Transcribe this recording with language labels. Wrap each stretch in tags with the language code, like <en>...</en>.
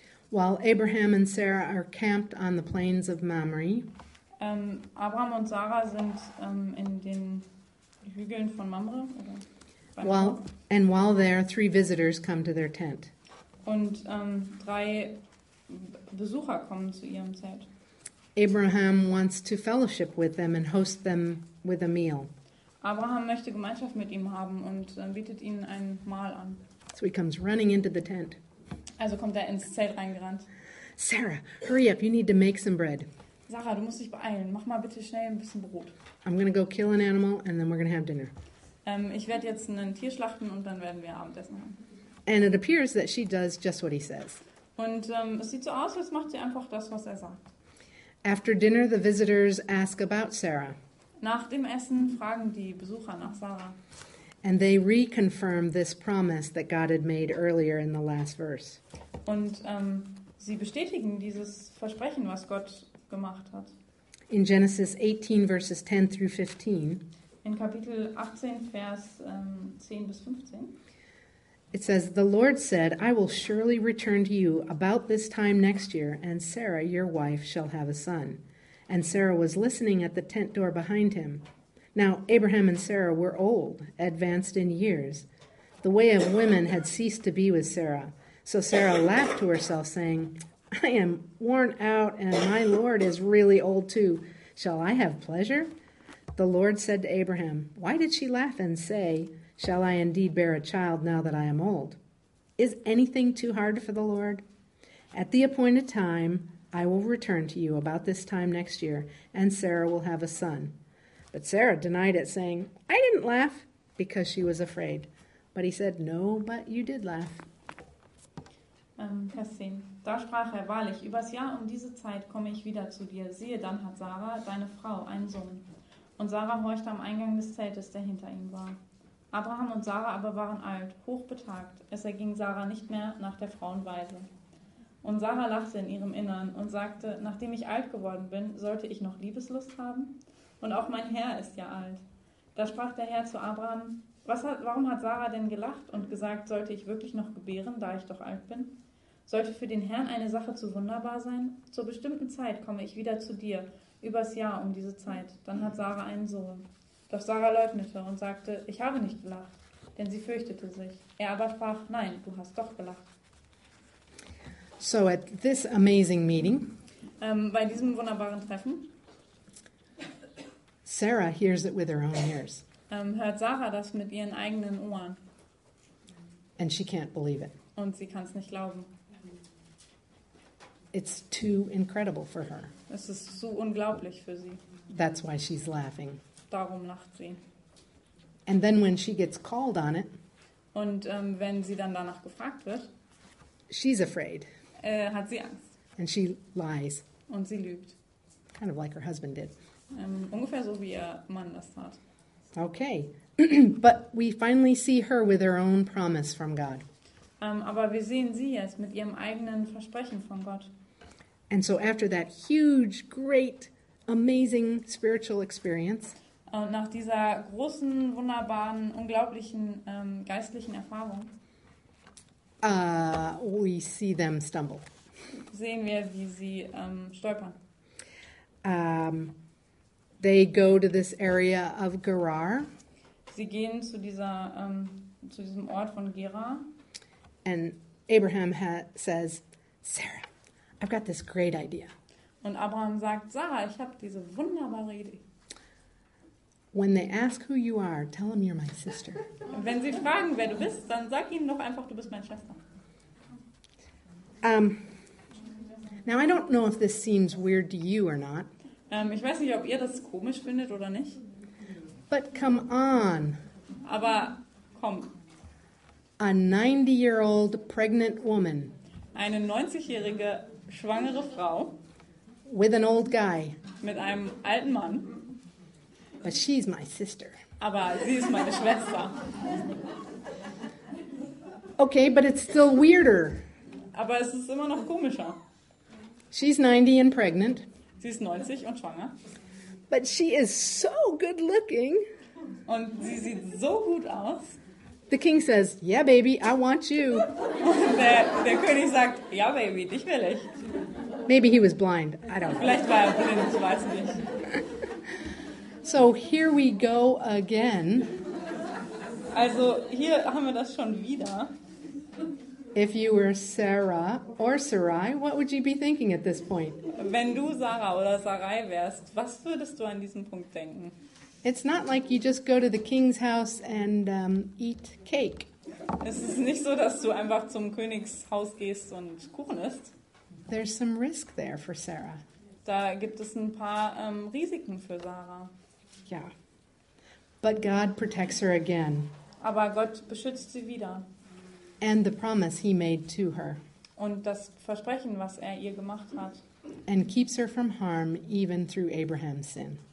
<en>While Abraham and Sarah are camped on the plains of Mamre.</en> <de>Abraham und Sarah sind in den Hügeln von Mamre.</de> <en>While there, three visitors come to their tent.</en> <de>Und drei Besucher kommen zu ihrem Zelt.</de> <en>Abraham wants to fellowship with them and host them with a meal.</en> <de>Abraham möchte Gemeinschaft mit ihm haben und bietet ihnen ein Mahl an.</de> <en>So he comes running into the tent.</en> <de>Also kommt er ins Zelt reingerannt.</de> <en>"Sarah, hurry up, you need to make some bread."</en> <de>Sarah, du musst dich beeilen. Mach mal bitte schnell ein bisschen Brot.</de> <en>"I'm going to go kill an animal and then we're going to have dinner."</en> <de>Ich werde jetzt ein Tier schlachten und dann werden wir Abendessen haben.</de> <en>And it appears that she does just what he says.</en> <de>Und es sieht so aus, als macht sie einfach das, was er sagt.</de> <en>After dinner, the visitors ask about Sarah.</en> <de>Nach dem Essen fragen die Besucher nach Sarah.</de> <en>And they reconfirm this promise that God had made earlier in the last verse.</en> <de>Und sie bestätigen dieses Versprechen, was Gott gemacht hat.</de> <en>In Genesis 18, verses 10 through 15.</en> <de>In Kapitel 18, Vers 10 bis 15.</de> <en>It says, "The Lord said, 'I will surely return to you about this time next year, and Sarah, your wife, shall have a son.' And Sarah was listening at the tent door behind him. Now Abraham and Sarah were old, advanced in years. The way of women had ceased to be with Sarah. So Sarah laughed to herself, saying, 'I am worn out, and my Lord is really old too. Shall I have pleasure?' The Lord said to Abraham, 'Why did she laugh and say, "Shall I indeed bear a child now that I am old? Is anything too hard for the Lord?" At the appointed time, I will return to you about this time next year, and Sarah will have a son. But Sarah denied it, saying, I didn't laugh, because she was afraid. But he said, no, but you did laugh.</en> <de>Vers 10. Da sprach er, wahrlich, übers Jahr um diese Zeit komme ich wieder zu dir. Siehe, dann hat Sarah, deine Frau, einen Sohn. Und Sarah horchte am Eingang des Zeltes, der hinter ihm war. Abraham und Sarah aber waren alt, hochbetagt. Es erging Sarah nicht mehr nach der Frauenweise. Und Sarah lachte in ihrem Innern und sagte, nachdem ich alt geworden bin, sollte ich noch Liebeslust haben? Und auch mein Herr ist ja alt. Da sprach der Herr zu Abraham, warum hat Sarah denn gelacht und gesagt, sollte ich wirklich noch gebären, da ich doch alt bin? Sollte für den Herrn eine Sache zu wunderbar sein? Zur bestimmten Zeit komme ich wieder zu dir, übers Jahr um diese Zeit. Dann hat Sarah einen Sohn. Doch Sarah leugnete und sagte, ich habe nicht gelacht, denn sie fürchtete sich. Er aber sprach, nein, du hast doch gelacht.</de> <en>So at this amazing meeting,</en> <de>bei diesem wunderbaren Treffen,</de> <en>Sarah hears it with her own ears.</en> <de>Hört Sarah das mit ihren eigenen Ohren.</de> <en>And she can't believe it.</en> <de>Und sie kann es nicht glauben.</de> <en>It's too incredible for her.</en> <de>Es ist so unglaublich für sie.</de> <en>That's why she's laughing.</en> <de>Darum lacht sie.</de> <en>And then when she gets called on it,</en> <de>und wenn sie dann danach gefragt wird,</de> <en>she's afraid.</en> <de>Hat sie Angst.</de> <en>And she lies.</en> <de>Und sie lügt.</de> <en>Kind of like her husband did.</en> <de>Ungefähr so wie ihr Mann das tat.</de> <en>Okay, but we finally see her with her own promise from God.</en> <de>Aber wir sehen sie jetzt mit ihrem eigenen Versprechen von Gott.</de> <en>And so after that huge, great, amazing spiritual experience.</en> <de>Nach dieser großen, wunderbaren, unglaublichen geistlichen Erfahrung.</de> <en>We see them stumble.</en> <de>Sehen wir, wie sie stolpern.</de> <en>They go to this area of Gerar.</en> <de>Sie gehen zu dieser zu diesem Ort von Gerar.</de> <en>And Abraham says, Sarah, I've got this great idea.</en> <de>Und Abraham sagt, Sarah, ich habe diese wunderbare Idee.</de> <en>When they ask who you are, tell them you're my sister.</en> <de>Wenn sie fragen, wer du bist, dann sag ihnen doch einfach, du bist meine Schwester.</de> <en>Now I don't know if this seems weird to you or not.</en> <de>Ich weiß nicht, ob ihr das komisch findet oder nicht.</de> <en>But come on.</en> <de>Aber komm.</de> <en>A 90-year-old pregnant woman.</en> <de>Eine 90-jährige schwangere Frau.</de> <en>With an old guy.</en> <de>Mit einem alten Mann.</de> <en>But she's my sister.</en> <de>Aber sie ist meine Schwester.</de> <en>Okay, but it's still weirder.</en> <de>Aber es ist immer noch komischer.</de> <en>She's 90 and pregnant.</en> <de>Sie ist 90 und schwanger.</de> <en>But she is so good looking.</en> <de>Und sie sieht so gut aus.</de> <en>The king says, yeah, baby, I want you.</en> <de>Der König sagt, ja, baby, dich will ich.</de> <en>Maybe he was blind. I don't know.</en> <de>Vielleicht war er blind, ich weiß nicht.</de> <en>So here we go again.</en> <de>Also hier haben wir das schon wieder.</de> <en>If you were Sarah or Sarai, what would you be thinking at this point?</en> <de>Wenn du Sarah oder Sarai wärst, was würdest du an diesem Punkt denken?</de> <en>It's not like you just go to the king's house and eat cake.</en> <de>Es ist nicht so, dass du einfach zum Königshaus gehst und Kuchen isst.</de> <en>There's some risk there for Sarah.</en> <de>Da gibt es ein paar Risiken für Sarah.</de> <en>Yeah. But God protects her again.</en> <de>Aber Gott beschützt sie wieder.</de> <en>And the promise he made to her.</en> <de>Und das Versprechen, was er ihr gemacht hat.</de> <en>And keeps her from harm even through Abraham's sin.</en>